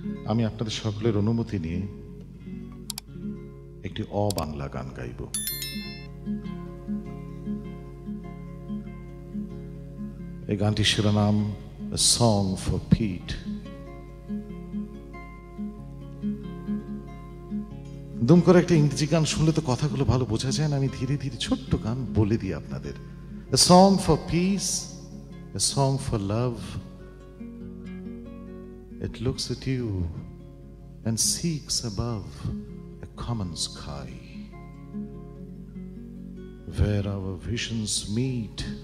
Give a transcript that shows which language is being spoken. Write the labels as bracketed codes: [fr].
[bn] আমি আপনাদের সকলের অনুমতি নিয়ে একটি অবাংলা গান গাইব। এই গানটির শিরোনাম A Song for Pete। দুম করে একটা ইংরেজি গান শুনলে তো কথাগুলো ভালো বোঝা যায় না, আমি ধীরে ধীরে ছোট্ট গান বলে দিই আপনাদের। [en] A Song for Peace, A Song for Love, It looks at you and seeks above a common sky, where our visions meet.